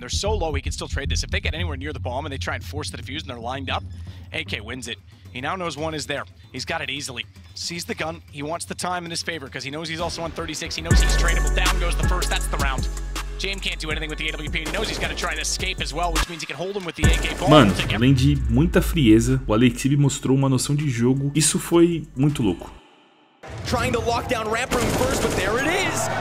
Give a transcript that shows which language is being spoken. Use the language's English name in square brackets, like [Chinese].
[English] They're so low, he can still trade this. If they get anywhere near the bomb and they try and force the defuse and they're lined up, AK wins it. He now knows one is there. He's got it easily. sees the gun. He wants the time in his favor because he knows he's also on 36. He knows he's tradable. Down goes the first. That's the round. James can't do anything with the AWP. He knows he's got to try and escape as well, which means he can hold him with the AK. [Portuguese] Mano, além de muita frieza, o Alexib mostrou uma noção de jogo. Isso foi muito louco. [English] Trying to lock down Ramp Room first, but there it is.